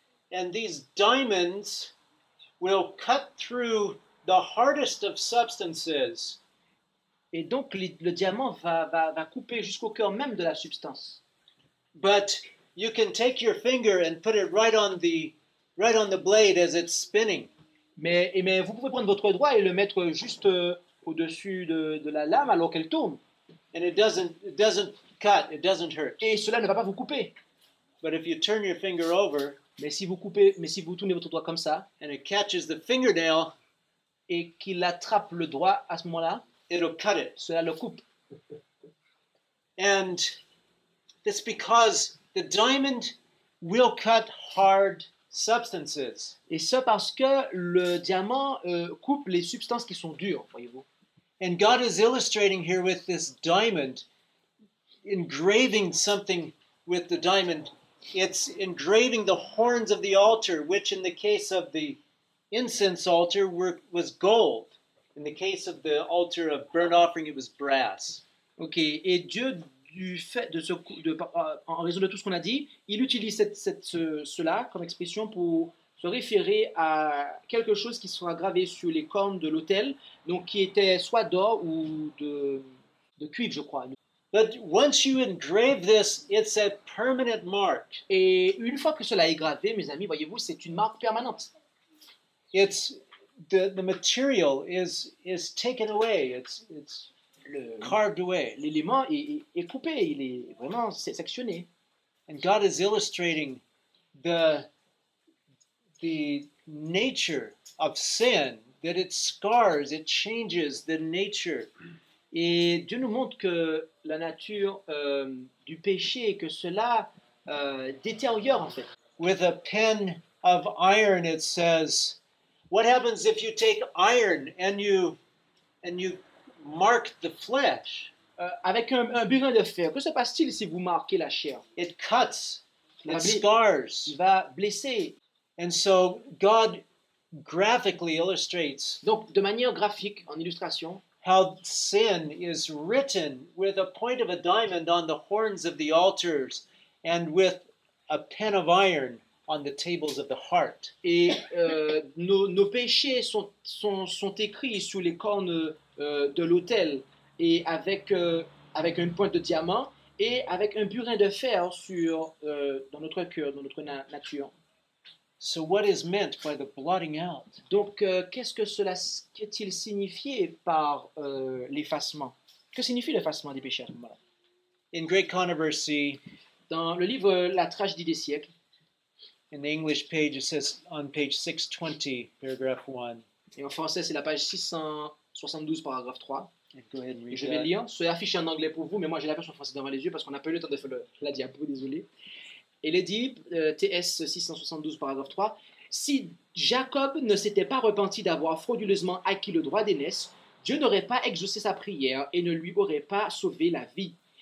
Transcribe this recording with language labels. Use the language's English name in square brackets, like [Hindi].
[English] And these diamonds will cut through the hardest of substances. [French] Et donc le diamant va couper jusqu'au cœur même de la substance. [English] But you can take your finger and put it right on the blade as it's spinning. [French] Mais vous pouvez prendre votre doigt et le mettre juste au-dessus de la lame alors qu'elle tombe. [English] And it doesn't cut, it doesn't hurt. [French] Et cela ne va pas vous couper. [English] But if you turn your finger over, [French] mais si vous tournez votre doigt comme ça, [English] and it catches the fingernail, [French] et qu'il attrape le doigt à ce moment-là, [English] it'll cut it. [French] Cela le coupe. [English] And it's because the diamond will cut hard substances. [French] Et ce parce que le diamant coupe les substances qui sont dures, voyez-vous. [English] And God is illustrating here with this diamond, engraving something with the diamond. It's engraving the horns of the altar, which in the case of the incense altar was gold. In the case of the altar of burnt offering, it was brass. [French] Okay, et Dieu, du fait en raison de tout ce qu'on a dit, il utilise cela comme expression pour se référer à quelque chose qui sera gravé sur les cornes de l'autel, donc qui était soit d'or ou de cuivre, je crois. [English] But once you engrave this, it's a permanent mark. [French] Et une fois que cela est gravé, mes amis, voyez-vous, c'est une marque permanente. [English] It's the material is taken away. It's carved away. [French] L'élément est coupé. Il est vraiment sectionné. [English] And God is illustrating the nature of sin, that it scars, it changes the nature. [French] Et Dieu nous montre que la nature du péché, que cela détériore en fait. [English] With a pen of iron, it says, what happens if you take iron and you mark the flesh? [French] Avec un burin de fer, que se passe-t-il si vous marquez la chair? [English] It cuts, it scars. [French] Il va blesser. [English] And so God graphically illustrates. [French] Donc de manière graphique, en illustration. [English] How sin is written with a point of a diamond on the horns of the altars and with a pen of iron on the tables of the heart. [French] Et nos péchés sont écrits sous les cornes de l'autel et avec une pointe de diamant et avec un burin de fer dans notre cœur, dans notre nature. [English] So what is meant by the blotting out? [French] Donc, qu'est-il signifié par l'effacement? Que signifie l'effacement des péchés? [English] In Great Controversy, [French] dans le livre La Tragédie des Siècles, [English] in the English page, it says on page 620, paragraph 1. [French] Et en français, c'est la page 672, paragraphe 3. [English] Go ahead and read [French] Je vais lire. C'est affiché en anglais pour vous, mais moi, j'ai la version française devant les yeux parce qu'on n'a pas eu le temps de faire la diapo, désolé. Et il est dit, TS 672, paragraphe 3, « Si Jacob ne s'était pas repenti d'avoir frauduleusement acquis le droit d'aînesse, Dieu n'aurait pas exaucé sa prière et ne lui aurait pas sauvé la vie.